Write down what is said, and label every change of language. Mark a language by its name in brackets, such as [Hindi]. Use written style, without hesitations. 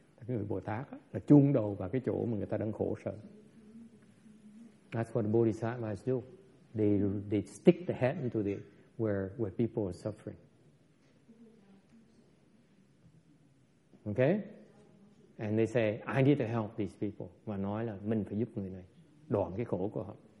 [Vietnamese] Người Bồ Tát là chung đầu vào cái chỗ mà người ta đang khổ sở. [English] That's what the Bodhisattvas do. They stick the head into the where people are suffering. Okay? And they say, I need to help these people. [Vietnamese] Và nói là mình phải giúp người này đoạn cái khổ của họ.